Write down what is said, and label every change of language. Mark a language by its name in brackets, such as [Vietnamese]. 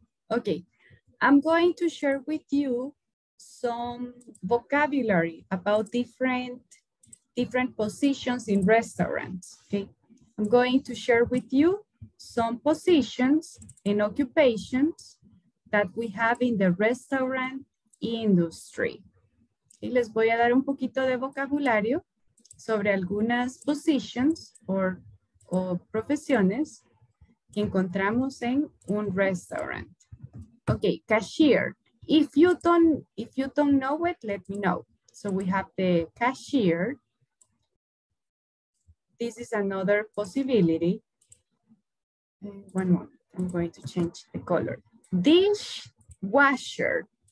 [English] Okay, I'm going to share with you some vocabulary about different positions in restaurants. Okay, I'm going to share with you some positions and occupations that we have in the restaurant industry. [Spanish] Y les voy a dar un poquito de vocabulario sobre algunas positions o profesiones que encontramos en un restaurant. [English] Okay, cashier. If you don't know it, let me know. So we have the cashier. This is another possibility. One more. I'm going to change the color. Dishwasher.